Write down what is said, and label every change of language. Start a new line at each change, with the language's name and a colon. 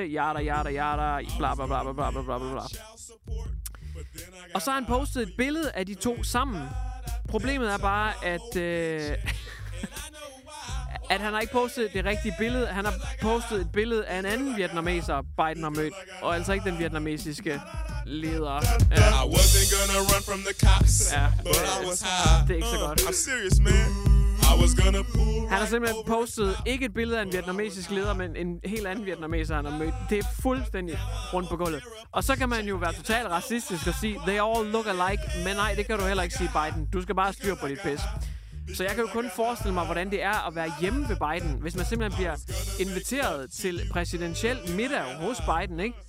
Danish: Yada, yada, yada, bla, bla, bla, bla, bla, bla, bla. Og så har han postet et billede af de to sammen. Problemet er bare, at at han har ikke postet det rigtige billede. Han har postet et billede af en anden vietnameser, Biden har mødt, og altså ikke den vietnamesiske leder.
English: I wasn't gonna run from the cops, but I was high.
Danish: Det er ikke så godt.
English: I'm serious, man.
Danish: Han har simpelthen postet ikke et billede af en vietnamesisk leder, men en helt anden vietnameser, han har mødt. Det er fuldstændig rundt på gulvet. Og så kan man jo være totalt racistisk og sige,
English: they all look alike,
Danish: men nej, det kan du heller ikke sige, Biden. Du skal bare styre på dit pis. Så jeg kan jo kun forestille mig, hvordan det er at være hjemme ved Biden, hvis man simpelthen bliver inviteret til præsidentiel middag hos Biden, ikke?